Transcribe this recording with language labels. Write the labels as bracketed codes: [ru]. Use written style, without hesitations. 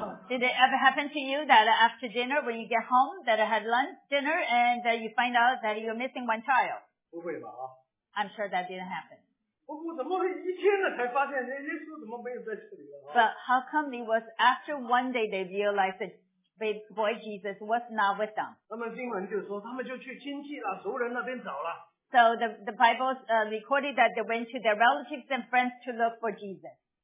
[en] Did it ever happen to you that after dinner when you get home that I had lunch dinner and that you find out that you're missing one child? [zh] 不会吧啊。 [en] I'm sure that didn't happen. [zh] 不过怎么会一天了才发现耶稣怎么没有在这里了？ [en] But how come it was after 1 day they realized that babe boy Jesus was not with them? [zh] 他们经文就说他们就去亲戚了熟人那边找了。 [en] So the Bible recorded that they went to their relatives and friends to look for Jesus.